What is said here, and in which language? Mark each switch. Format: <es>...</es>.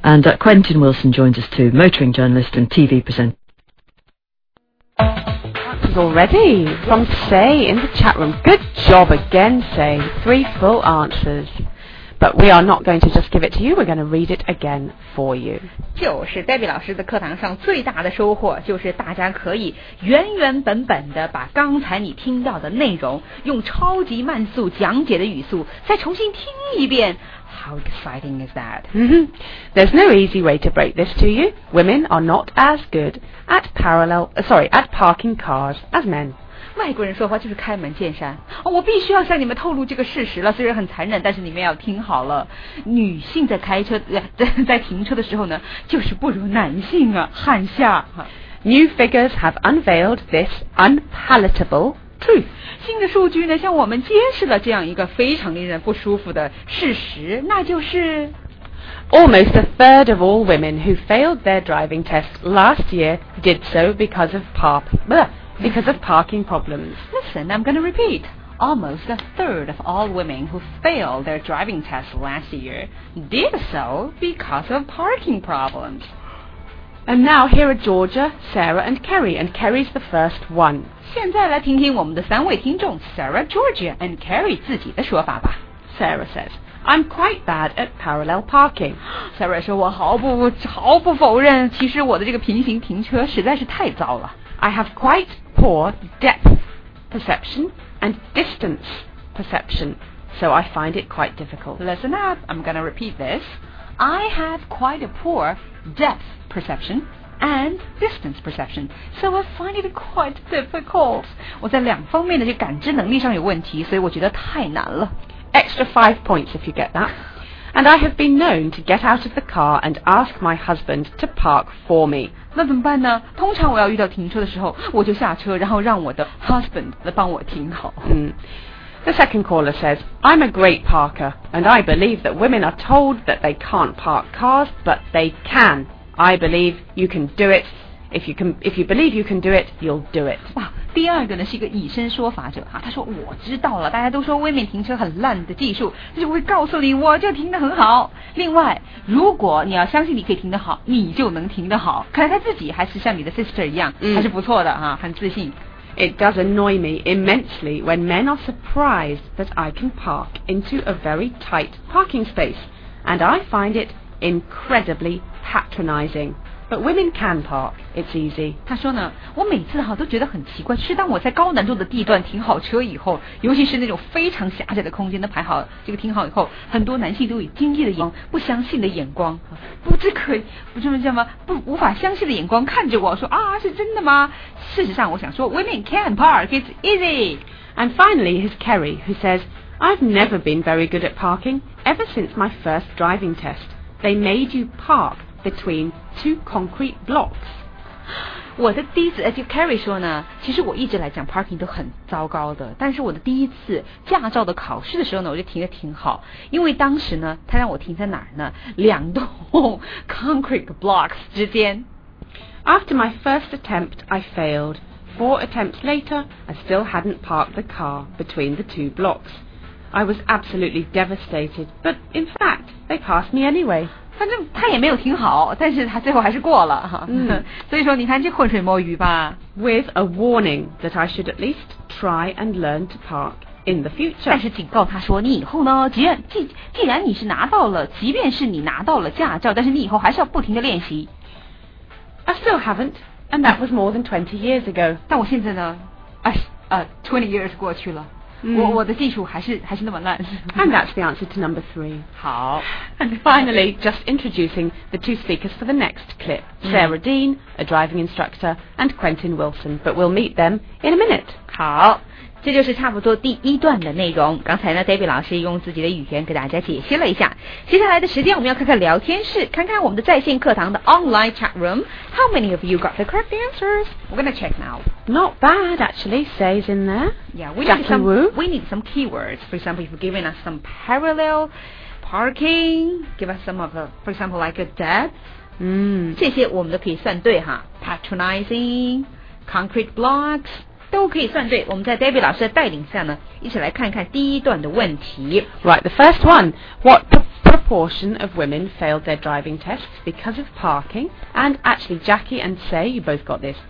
<en>And Quentin Wilson joins us too, motoring journalist and TV presenter. Practice already from Say in the chat room. Good job again, Say. Three full answers. But we are not going to just give it to you, we're going to read it again for you.</en> <zh>就是 Debbie 老师的课堂上最大的收获就是大家可以原原本本的把刚才你听到的内容用超级慢速讲解的语速再重新听一遍。</zh> <en>How exciting is that? There's no easy way to break this to you. Women are not as good at parking cars as men.</en> <zh>外国人说话就是开门见山、哦、我必须要向你们透露这个事实了，虽然很残忍，但是你们要听好了，女性在开车 在停车的时候呢，就是不如男性啊，汉下。</zh> <en>New figures have unveiled this unpalatable truth.</en> <zh>新的数据呢，向我们揭示了这样一个非常令人不舒服的事实，那就是</zh> <en>Almost a third of all women who failed their driving test last year did so because of parking problems. Listen, I'm going to repeat. Almost a third of all women who failed their driving test last year did so because of parking problems. And now here are Georgia, Sarah, and Kerry, and Kerry's the first one.</en> <zh>现在来听听我们的三位听众 Sarah, Georgia, and Kerry 自己的说法吧。</zh> <en>Sarah says, I'm quite bad at parallel parking.</en> <zh>Sarah 说我毫不否认，其实我的这个平行停车实在是太糟了。</zh> <en>I have quite poor depth perception and distance perception, so I find it quite difficult. Listen up, I'm going to repeat this. I have quite a poor depth. Perception and distance perception. So I find it quite difficult.</en> <zh>我在两方面的这感知能力上有问题，所以我觉得太难了。</zh> <en>Extra 5 points if you get that. And I have been known to get out of the car and ask my husband to park for me.</en> <zh>那怎么办呢？通常我要遇到停车的时候，我就下车，然后让我的 husband 来帮我停好。</zh> <en>The second caller says, I'm a great parker, and I believe that women are told that they can't park cars, but they can. I believe you can do it. If you believe you can do it, you'll do it.</en> <zh>哇，第二个呢是一个以身说法者哈，他说我知道了，大家都说外面停车很烂的技术，就会告诉你我就停得很好。另外，如果你要相信你可以停得好，你就能停得好。看来他自己还是像你的 sister 一样，还是不错的哈，很自信。</zh> <en>It does annoy me immensely when men are surprised that I can park into a very tight parking space, and I find it incredibly. Patronizing, but women can park. It's easy.</en> <zh>他说呢，我每次哈都觉得很奇怪，是当我在高难度的地段停好车以后，尤其是那种非常狭窄的空间的排好这个停好以后，很多男性都以惊异的眼光、不相信的眼光、不知可不这么叫吗？不无法相信的眼光看着我说啊，是真的吗？事实上，我想说 ，</zh> <en>women can park. It's easy. And finally, here's Kerry who says, I've never been very good at parking ever since my first driving test. They made you park. Between two concrete blocks.</en> <zh>我的第一次就 Kerry 说呢，其实我一直来讲 parking 都很糟糕的，但是我的第一次驾照的考试的时候呢，我就停得挺好，因为当时呢，他让我停在哪儿呢？两栋</zh> <en>concrete blocks</en> <zh>之间。</zh> <en>After my first attempt, I failed. 4 attempts later, I still hadn't parked the car between the two blocks. I was absolutely devastated. But in fact, they passed me anyway.</en> <zh>反正他也没有挺好，但是他最后还是过了哈。所以说你看这浑水摸鱼吧。</zh> <en>With a warning that I should at least try and learn to park in the future.</en> <zh>但是警告他说，你以后呢，既然你是拿到了，即便是你拿到了驾照，但是你以后还是要不停的练习。</zh> <en>I still haven't, and that was more than 20 years ago.</en> <zh>但我现在呢，</zh> <en>20 years</en> <zh>过去了。我的技术还是那么烂。</zh> <en>And that's the answer to number 3.</en> <zh>好。</zh> <en>And finally, just introducing the two speakers for the next clip. Sarah Dean, a driving instructor, and Quentin Wilson. But we'll meet them in a minute.</en> <zh>好。这就是差不多第一段的内容。刚才呢 ,David 老师用自己的语言给大家解析了一下。接下来的时间我们要看看聊天室，看看我们的在线课堂的</zh> <en>online chat room. How many of you got the correct answers? We're going to check now. Not bad, actually, says in there. Yeah, we need some keywords. For example, if you're giving us some parallel parking, give us some of the, for example, like a depth.</en> <zh>这些我们都可以算对哈。</zh> <en>Patronizing, concrete blocks,</en> <zh>都可以算对，我们在 David 老师的带领下呢，一起来看看第一段的问题。</zh> <en>Right, the first one. What proportion of women failed their driving tests because of parking? And actually, Jackie and Say, you both got this.</en>